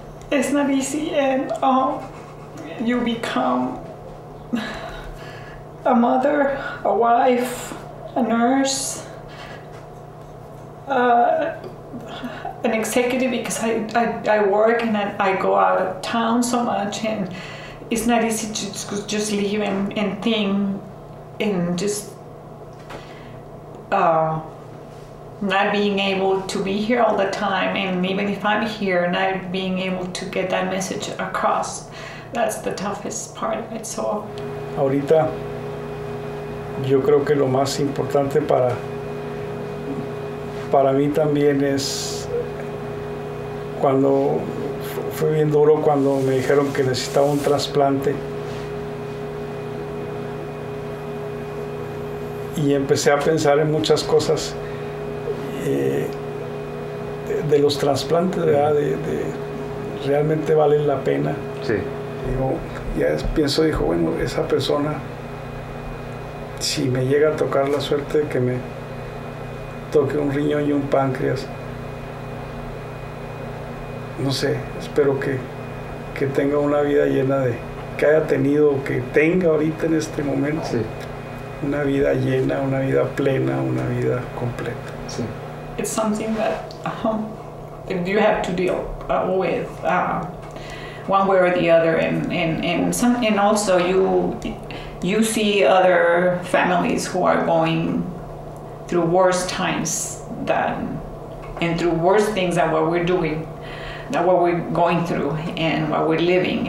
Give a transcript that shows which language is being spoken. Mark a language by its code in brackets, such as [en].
[en] It's not easy, and you become a mother, a wife, a nurse, an executive, because I work and I go out of town so much, and it's not easy to just leave and think and just not being able to be here all the time, and even if I'm here, not being able to get that message across. That's the toughest part of it, so. [es] Ahorita, yo creo que lo más importante para mí también es cuando fue bien duro cuando me dijeron que necesitaba un trasplante. Y empecé a pensar en muchas cosas de los trasplantes, ¿verdad? De realmente valen la pena. Sí. Digo, ya pienso, dijo, bueno, esa persona, si me llega a tocar la suerte de que me toque un riñón y un páncreas, no sé, espero que tenga una vida llena de, que haya tenido, que tenga ahorita en este momento, sí, una vida llena, una vida plena, una vida completa. Sí. [en] It's something that you have to deal with. One way or the other, and also you see other families who are going through worse times than, and through worse things than what we're doing, than what we're going through and what we're living.